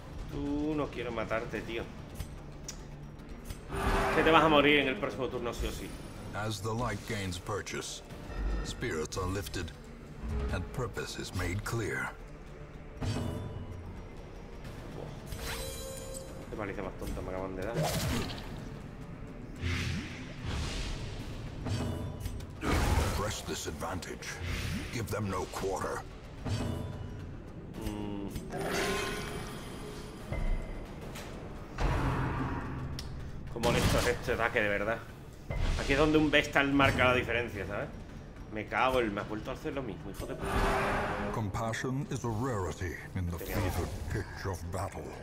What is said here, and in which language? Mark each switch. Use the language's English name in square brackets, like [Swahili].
[Spanish] Tú no quiero matarte, tío. Que te vas a morir en el próximo turno, sí o sí. [English] As the light gains purchase, spirits are lifted, and purpose is made clear. [Spanish] Qué malicia más tonta me acaban de dar. [English] Press this advantage. Give them no quarter. [Spanish] Como molesto es este ataque, de verdad. Aquí es donde un Vestal marca la diferencia, ¿sabes? Me cago en... Me ha vuelto a hacer lo mismo, hijo de puta. [English] Compassion is a rarity in the fevered pitch of battle.